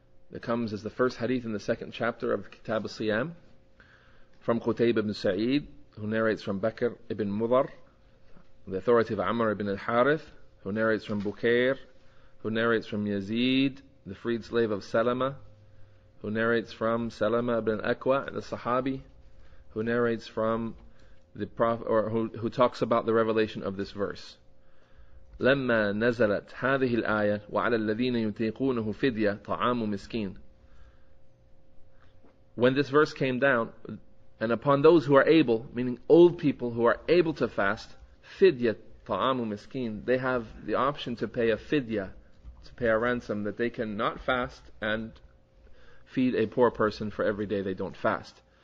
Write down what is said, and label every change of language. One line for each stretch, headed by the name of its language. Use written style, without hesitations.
English: That comes as the first hadith in the second chapter of Kitab al-Siyam, from Qutayb ibn Sa'id, who narrates from Bakr ibn Mudhar, the authority of Amr ibn al-Harith, who narrates from Bukair, who narrates from Yazid, the freed slave of Salama, who narrates from Salama ibn al-Aqwa, the Sahabi, who narrates from the Prophet, or who talks about the revelation of this verse.
Arabic: لما نزلت هذه الآية وعلى الذين يطيقونه فدية طعام مسكين.
English: When this verse came down, and upon those who are able, meaning old people who are able to fast, fidya ta'amu miskin, they have the option to pay a fidya, to pay a ransom, that they can not fast and feed a poor person for every day they don't fast.